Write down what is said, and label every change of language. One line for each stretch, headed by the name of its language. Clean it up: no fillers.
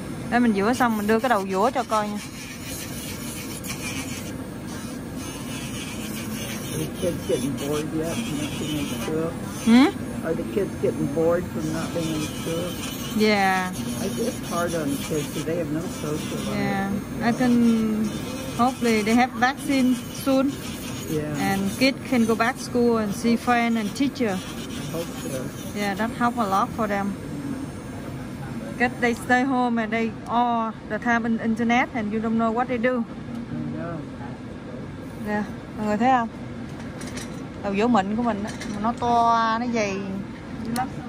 Vietnamese: Đây mình dũa xong mình đưa cái đầu dũa cho coi nha.
English: Are the kids getting bored yet from not being in school? Are the kids getting bored from not being in school? Yeah. It's hard on the kids because they have no social life. Yeah. I think hopefully they have vaccine soon. Yeah. And kids can go back to school and see friends and teacher. I hope so. Yeah, that helps a lot for them. Cause they stay home and they all the time in internet and you don't know what they do.
Vietnamese: Yeah, mọi người thấy không? Đầu dũa mịn của mình đó, nó to, nó dày lắm.